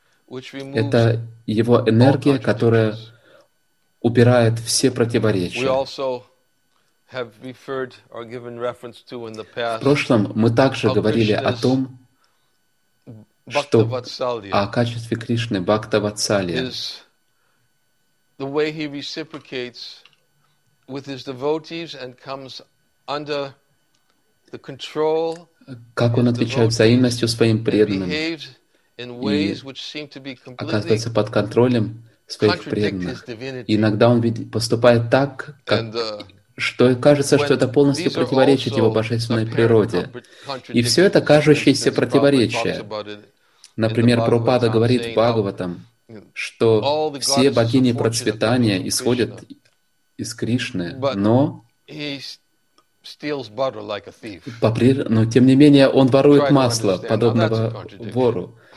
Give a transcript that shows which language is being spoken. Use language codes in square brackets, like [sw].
[ru] Это его энергия, которая убирает все противоречия. В прошлом мы также говорили о том, что о качестве Кришны, Бхакта-Ватсалья. [en] The way he reciprocates with his devotees and comes under the control. [ru] Как он отвечает взаимностью своим преданным и оказывается под контролем своих преданных. И иногда он поступает так, как, что кажется, что это полностью противоречит его божественной природе. И все это кажущееся противоречие. Например, Прабхупада говорит в Бхагаватам, что все богини процветания исходят из Кришны, но тем не менее он ворует масло, подобного вору.